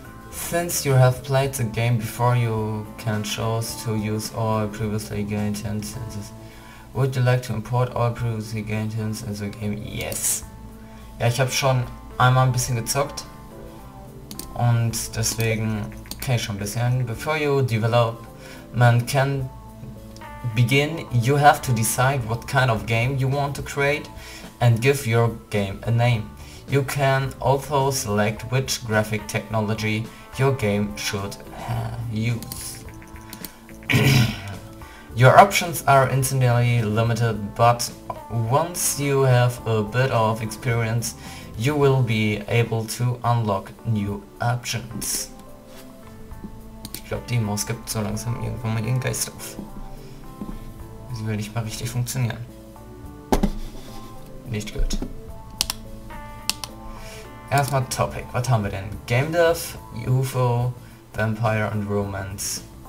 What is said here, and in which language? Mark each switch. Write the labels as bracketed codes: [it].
[en] Since you have played the game before, you can choose to use all previously gained chances. Would you like to import all previously gained chances in the game? Yes. [de] Ja, ich habe schon einmal ein bisschen gezockt. Und deswegen kenne ich schon ein bisschen. [en] Before you develop, man can begin, you have to decide what kind of game you want to create and give your game a name. You can also select which graphic technology your game should use. Your options are instantly limited, but once you have a bit of experience, you will be able to unlock new options. [de] Ich glaube, die Maus gibt so langsam irgendwann mal ihren Geist auf. Sie will nicht mal richtig funktionieren. Nicht gut. Erstmal Topic, was haben wir denn? Game Dev, UFO, Vampire und Romance.